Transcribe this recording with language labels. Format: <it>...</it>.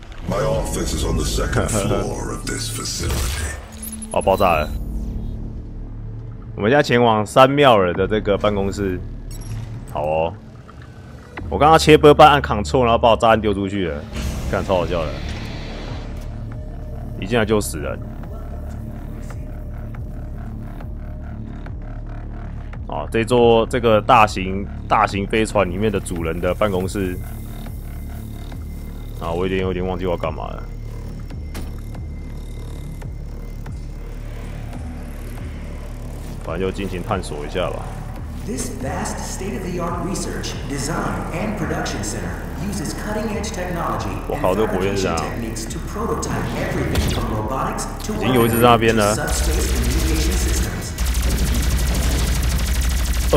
<en>My office is on the second floor of this facility.</en> <zh>哦，爆炸了！我们现在前往三庙人的这个办公室。好哦，我刚刚切波半按 Ctrl， 然后把我炸弹丢出去了，看超好笑的。一进来就死人。哦，这座这个大型飞船里面的主人的办公室。啊，我有点忘记我要干嘛了。反正就尽情探索一下吧。</zh> <en>This vast state-of-the-art research, design, and production center uses cutting-edge technology and fabrication techniques to prototype everything from robotics to subspace communication systems.</en>